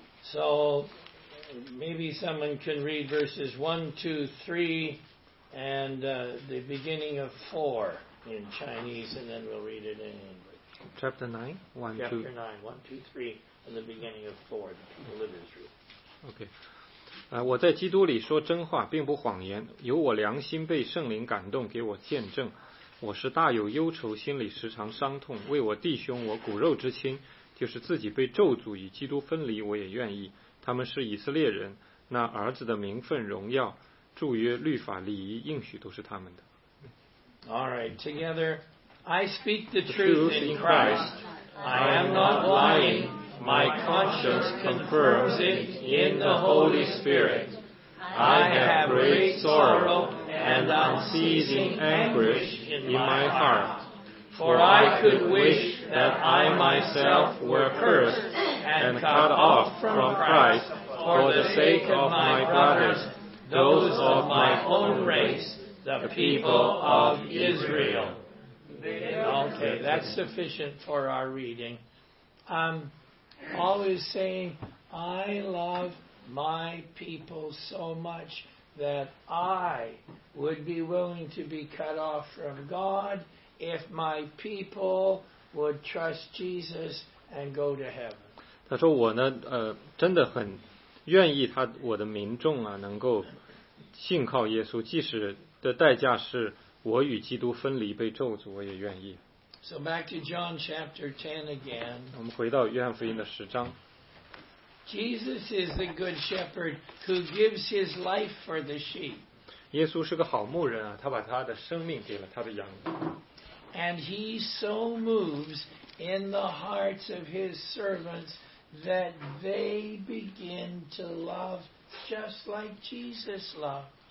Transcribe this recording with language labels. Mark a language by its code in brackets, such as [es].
[en] So maybe someone can read verses 1, 2, 3 and the beginning of 4 in Chinese and then we'll read it in English. Chapter 9, 1, 2. Chapter 9, 1, 2, 3 and the beginning of 4, the people of Israel. Okay. [zh] 我在基督里说真话并不谎言，由我良心被圣灵感动给我见证，我是大有忧愁，心里时常伤痛，为我弟兄，我骨肉之亲，就是自己被咒诅与基督分离，我也愿意。他们是以色列人，那儿子的名分、荣耀、祝约、律法、礼仪、应许都是他们的。 [en] All right, together, I speak the truth in Christ. I am not lying. My conscience confirms it in the Holy Spirit. I have great sorrow and unceasing anguish in my heart. For I could wish that I myself were cursed and cut off from Christ for the sake of my brothers, those of my own race, the people of Israel. Okay, that's sufficient for our reading. Paul is saying, I love my people so much that I would be willing to be cut off from God if my people would trust Jesus and go to heaven. [zh] 他说我呢，真的很愿意他我的民众啊能够信靠耶稣，即使的代价是我与基督分离被咒诅，我也愿意。 [en] So back to John chapter 10 again. [zh] 我们回到约翰福音的十章。 [en] Jesus is the good shepherd who gives his life for the sheep. [zh] 耶稣是个好牧人啊，他把他的生命给了他的羊。 [en] And he so moves in the hearts of his servants that they begin to love just like Jesus loves.